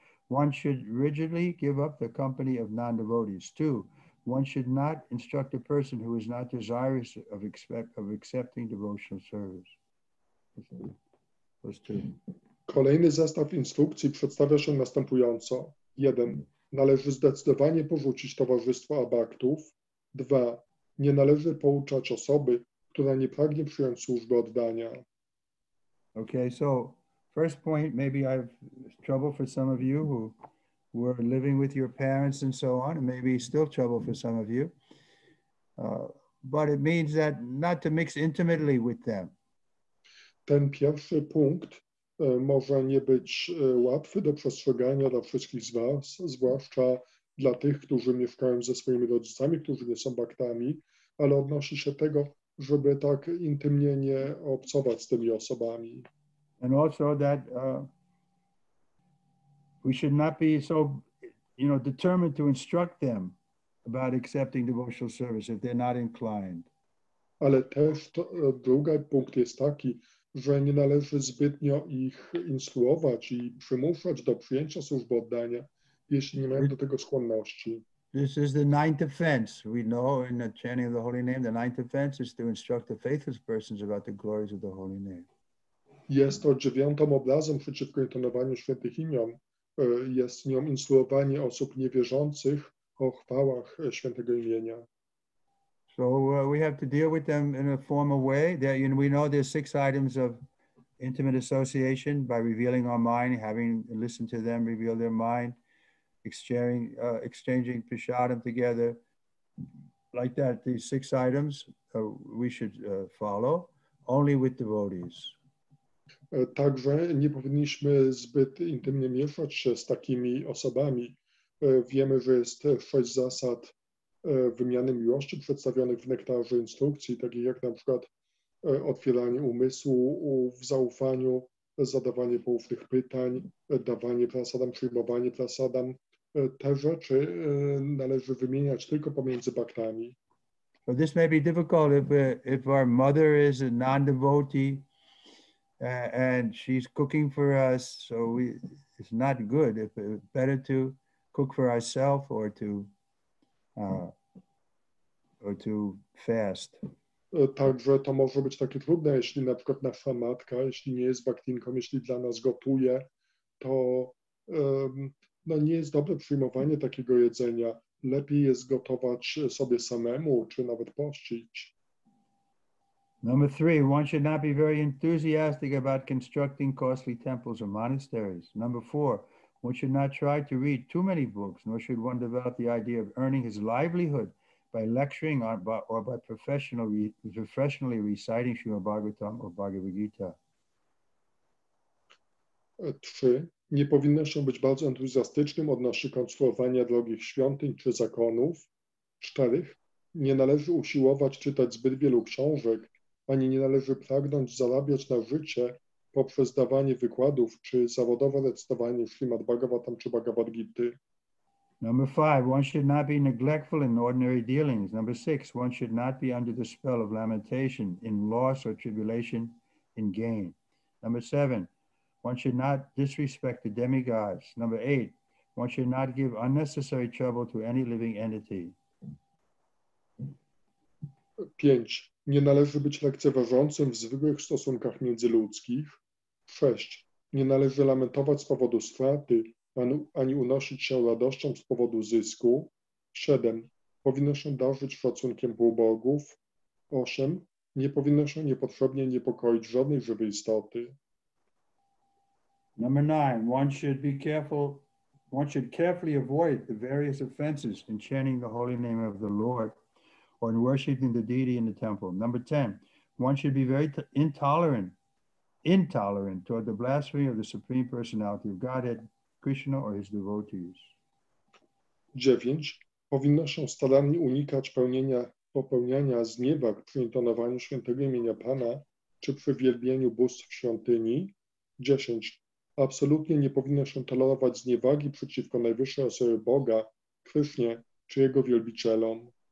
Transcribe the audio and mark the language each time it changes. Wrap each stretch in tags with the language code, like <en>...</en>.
<en>One should rigidly give up the company of non-devotees. Two, one should not instruct a person who is not desirous of accepting devotional service. Those two.</en> <pl>Kolejny zestaw instrukcji przedstawia się następująco. Jeden, należy zdecydowanie porzucić towarzystwo abaktów. Dwa, nie należy pouczać osoby, która nie pragnie przyjąć służby oddania.</pl> <en>Okay, so first point, maybe I have trouble for some of you who were living with your parents and so on, and maybe still trouble for some of you. But it means that not to mix intimately with them.</en> <pl>Ten pierwszy punkt może nie być łatwy do przestrzegania dla wszystkich z was, zwłaszcza dla tych, którzy mieszkają ze swoimi rodzicami, którzy nie są baktami, ale odnosi się tego, żeby tak intymnie nie obcować z tymi osobami.</pl> <en>And also that we should not be so, you know, determined to instruct them about accepting devotional service if they're not inclined.</en> <pl>Ale też to, drugi punkt jest taki, że nie należy zbytnio ich instruować i przymuszać do przyjęcia służby oddania, jeśli nie mają do tego skłonności.</pl> <en>This is the ninth offense. We know in the chanting of the holy name, the ninth offense is to instruct the faithless persons about the glories of the holy name.</en> <pl>Jest to dziewiątą obrazą przeciwko intonowaniu świętych imion. Jest nią instruowanie osób niewierzących o chwałach świętego imienia.</pl> <en>So we have to deal with them in a formal way. There, you know, we know there's six items of intimate association by revealing our mind, having listened to them reveal their mind, exchanging prasadam together, like that, these six items we should follow only with devotees.</en> <pl>Także nie powinniśmy zbyt intymnie mieszać się z takimi osobami. Wiemy, że jest sześć zasad wymiany miłości przedstawionych w nektarze instrukcji, takich jak na przykład otwieranie umysłu w zaufaniu, zadawanie poufnych pytań, dawanie prasadam, przyjmowanie prasadam. Te rzeczy należy wymieniać tylko pomiędzy baktami.</pl> <en>So this may be difficult if our mother is a non-devotee and she's cooking for us, so it's not good. If it's better to cook for ourselves or to fast.</en> <pl>Także to może być takie trudne, jeśli na przykład nasza matka, jeśli nie jest baktinką, jeśli dla nas gotuje, to no nie jest dobre przyjmowanie takiego jedzenia. Lepiej jest gotować sobie samemu, czy nawet pościć.</pl> <en>Number three, one should not be very enthusiastic about constructing costly temples or monasteries. Number four, one should not try to read too many books, nor should one develop the idea of earning his livelihood by lecturing or by professionally reciting Srimad Bhagavatam or Bhagavad Gita.</en> <pl>Trzy. Nie powinno się być bardzo entuzjastycznym odnośnie konstruowania drogich świątyń czy zakonów. Cztery. Nie należy usiłować czytać zbyt wielu książek, ani nie należy pragnąć zarabiać na życie poprzez dawanie wykładów czy zawodowe recytowanie Srimad Bhagavatam czy Bhagavad Gity.</pl> <en>Number five, one should not be neglectful in ordinary dealings. Number six, one should not be under the spell of lamentation in loss or tribulation in gain. Number seven, one should not disrespect the demigods. Number eight, one should not give unnecessary trouble to any living entity.</en> <pl>Pięć. Nie należy być lekceważącym w zwykłych stosunkach międzyludzkich. Sześć. Nie należy lamentować z powodu straty, ani unosić się radością z powodu zysku. Siedem. Powinno się darzyć szacunkiem półbogów. Osiem. Nie powinno się niepotrzebnie niepokoić żadnej żywej istoty.</pl> <en>Number nine. One should be careful. One should carefully avoid the various offenses in chanting the holy name of the Lord or in worshiping the deity in the temple. Number 10, one should be very intolerant toward the blasphemy of the Supreme Personality of Godhead, Krishna, or his devotees.</en> <pl>9, powinno się starannie unikać popełniania zniewag przy intonowaniu świętego imienia Pana czy przy wielbieniu bóstw w świątyni. 10, absolutnie nie powinno się tolerować zniewagi przeciwko najwyższej osobie Boga, Krishnie, czy jego wielbicielom.</pl>